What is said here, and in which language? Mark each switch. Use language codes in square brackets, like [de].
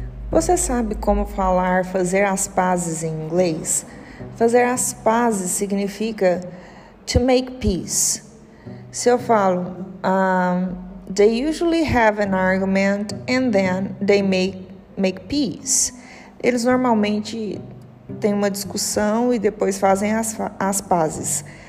[pt] Você sabe como falar fazer as pazes em inglês? Fazer as pazes significa [en] to make peace. [pt] Se eu falo, [en] they usually have an argument and then they make peace. [pt] Eles normalmente têm uma discussão e depois fazem as pazes.